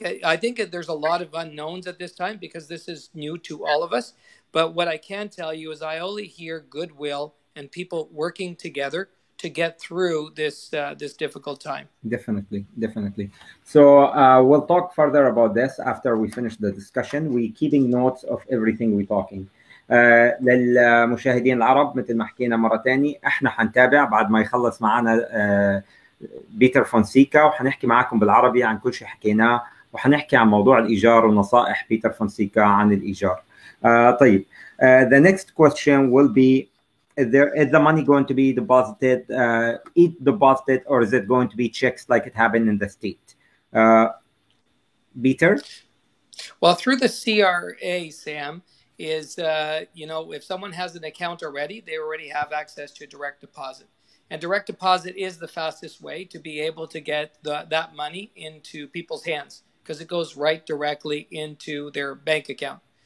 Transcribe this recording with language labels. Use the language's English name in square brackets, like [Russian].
[English] I think there's a lot of unknowns at this time because this is new to all of us. But what I can tell you is I only hear goodwill and people working together to get through this this difficult time. Definitely. So we'll talk further about this after we finish the discussion. We're keeping notes of everything we're talking. [Arabic] للمشاهدين العرب مثل ما حكينا مرة تاني احنا حنتابع بعد ما يخلص معنا بيتر فونسيكا وحنحكي معكم بالعربي عن كل شيء حكيناه وحنحكي عن موضوع الإيجار ونصائح بيتر فونسيكا عن الإيجار. [English] طيب the next question will be is the money going to be deposited it deposited or is it going to be checks like it happened in the state? Peter? Well, through the CRA, Sam, is you know, if someone has an account already, they already have access to direct deposit, and direct deposit is the fastest way to be able to get that money into people's hands because it goes right directly into their bank account.